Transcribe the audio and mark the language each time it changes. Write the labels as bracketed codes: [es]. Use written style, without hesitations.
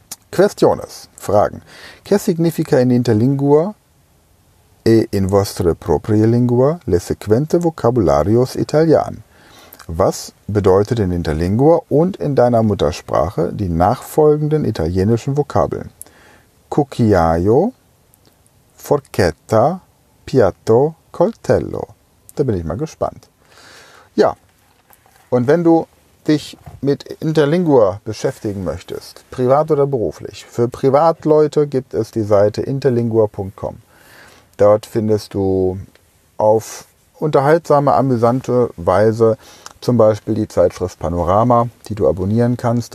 [ia] Questiones, Fragen. Che significa in interlingua e in vostre proprie lingua le sequente vocabularios italian? [de] Was bedeutet in interlingua und in deiner Muttersprache die nachfolgenden italienischen Vokabeln? [it] Cucchiaio, Forchetta, Piatto, Coltello. [de] Da bin ich mal gespannt. Ja, und wenn du dich mit Interlingua beschäftigen möchtest, privat oder beruflich. Für Privatleute gibt es die Seite interlingua.com. Dort findest du auf unterhaltsame, amüsante Weise zum Beispiel die Zeitschrift Panorama, die du abonnieren kannst.